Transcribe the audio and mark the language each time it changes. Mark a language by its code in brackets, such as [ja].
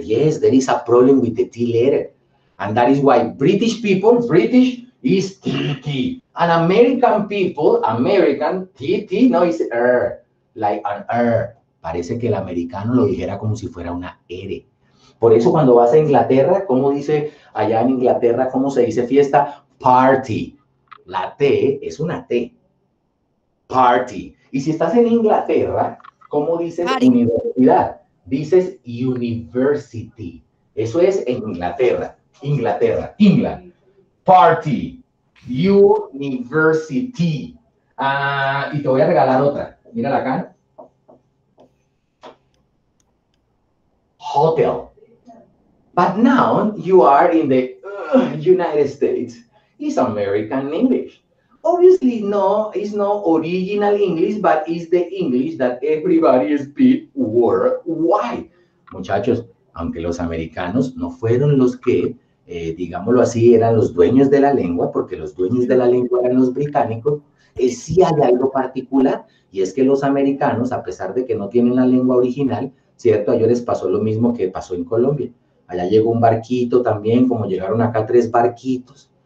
[en] Yes, there is a problem with the T letter. And that is why British people, British is T, T. And American people, American, T, T, no, it's R. Like an R. [es] Parece que el americano lo dijera como si fuera una R. Por eso cuando vas a Inglaterra, ¿cómo dice allá en Inglaterra, cómo se dice fiesta? Party. La T es una T. Party. Y si estás en Inglaterra, ¿cómo dices universidad? Dices university. Eso es en Inglaterra. Inglaterra. England. Party. University. Y te voy a regalar otra. Mírala acá. [en] Hotel. But now you are in the United States. It's American English. Obviously, no, it's not original English, but it's the English that everybody speaks worldwide. [es] Muchachos, aunque los americanos no fueron los que, digámoslo así, eran los dueños de la lengua, porque los dueños de la lengua eran los británicos, sí hay algo particular, y es que los americanos, a pesar de que no tienen la lengua original, ¿cierto? A ellos les pasó lo mismo que pasó en Colombia. Allá llegó un barquito también, como llegaron acá 3 barquitos.